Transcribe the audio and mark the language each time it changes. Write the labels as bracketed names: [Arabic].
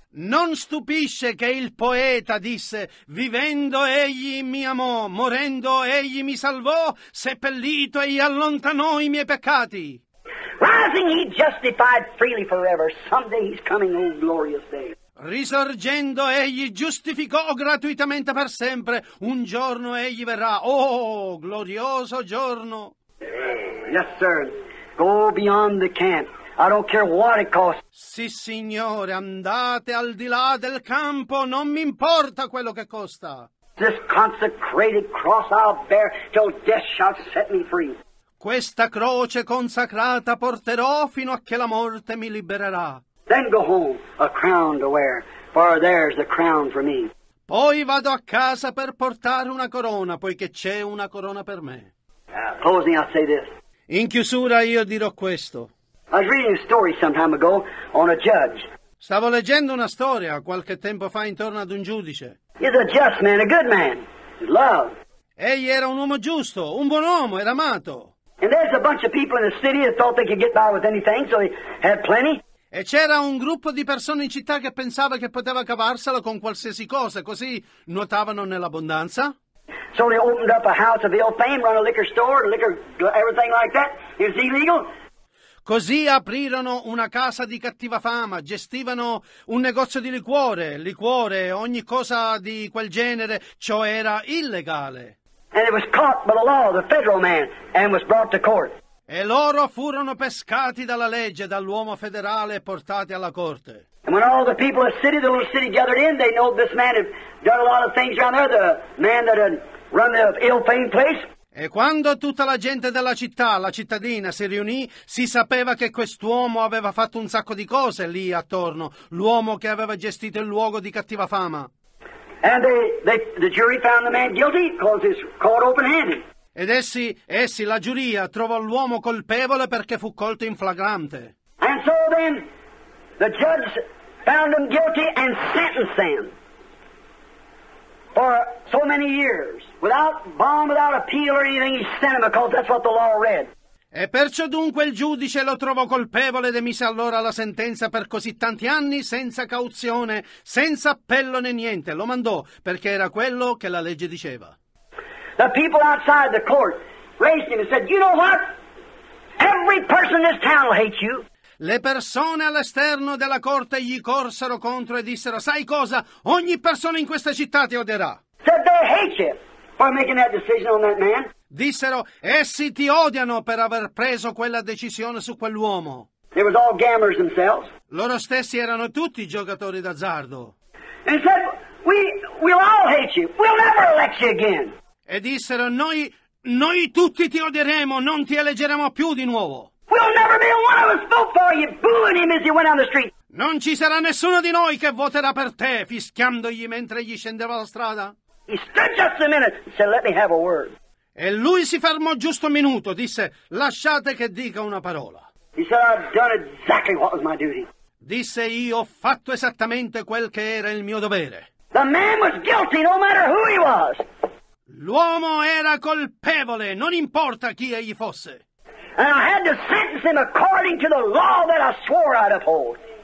[Italian] Non stupisce che il poeta disse: vivendo egli mi amò, morendo egli mi salvò, seppellito egli allontanò i miei peccati. [English] Rising he justified freely forever, someday he's coming, oh glorious day. [Italian] Risorgendo egli giustificò gratuitamente per sempre, un giorno egli verrà, oh glorioso giorno. [English] Yes sir, go beyond the camp, I don't care what it costs. [Italian] Sì signore, andate al di là del campo, non mi importa quello che costa. [English] This consecrated cross I'll bear till death shall set me free. [Italian] Questa croce consacrata porterò fino a che la morte mi libererà. [English] Then go home, a crown to wear, for there's the crown for me. [Italian] Poi vado a casa per portare una corona, poiché c'è una corona per me. [English] Closing, I'll say this. [Italian] In chiusura io dirò questo. [English] I was reading a story some time ago on a judge. [Italian] Stavo leggendo una storia qualche tempo fa intorno ad un giudice. [English] He's a just man, a good man, loved. [Italian] Egli era un uomo giusto, un buon uomo, era amato. [English] And there's a bunch of people in the city that thought they could get by with anything, so they had plenty. [Italian] E c'era un gruppo di persone in città che pensava che poteva cavarsela con qualsiasi cosa, così nuotavano nell'abbondanza. [English] So they opened up a house of ill fame, run a liquor store, liquor, everything like that. It was illegal. [Italian] Così aprirono una casa di cattiva fama, gestivano un negozio di liquore, ogni cosa di quel genere, ciò era illegale. [English] And it was caught by the law, the federal man, and was brought to court. [Italian] E loro furono pescati dalla legge, dall'uomo federale, e portati alla corte. [English] And when all the people of the little city gathered in, they know this man had done a lot of things around there, the man that had run the ill-famed place. [Italian] E quando tutta la gente della città, la cittadina, si riunì, si sapeva che quest'uomo aveva fatto un sacco di cose lì attorno, l'uomo che aveva gestito il luogo di cattiva fama. [English] And the jury found the man guilty because he's caught open-handed. [Italian] Ed essi, la giuria, trovò l'uomo colpevole perché fu colto in flagrante. [English] And so then the judge found him guilty and sentenced him for so many years. Without bond, without appeal or anything, he sent him because that's what the law read. [Italian] E perciò dunque il giudice lo trovò colpevole ed emise allora la sentenza per così tanti anni, senza cauzione, senza appello né niente. Lo mandò perché era quello che la legge diceva. [English] The people outside the court raised him and said, you know what? Every person in this town will hate you. [Italian] Le persone all'esterno della corte gli corsero contro e dissero, sai cosa? Ogni persona in questa città ti odierà. [English] Said they hate you for making that decision on that man. [Italian] Dissero, essi ti odiano per aver preso quella decisione su quell'uomo. [English] They were all gamblers themselves. [Italian] Loro stessi erano tutti giocatori d'azzardo. [English] And said, we'll all hate you. We'll never elect you again. [Italian] E dissero, noi tutti ti odieremo, non ti eleggeremo più di nuovo. [English] We'll never be one of us vote for you, booing him as he went on the street. [Italian] Non ci sarà nessuno di noi che voterà per te, fischiandogli mentre gli scendeva la strada. [English] He stood just a minute and said, let me have a word. [Italian] E lui si fermò giusto un minuto, disse, lasciate che dica una parola. [English] He said, I've done exactly what was my duty. [Italian] Disse, io ho fatto esattamente quel che era il mio dovere. [English] The man was guilty no matter who he was. [Italian] L'uomo era colpevole, non importa chi egli fosse. [English] And I had to sentence him according to the law that I swore I'd uphold.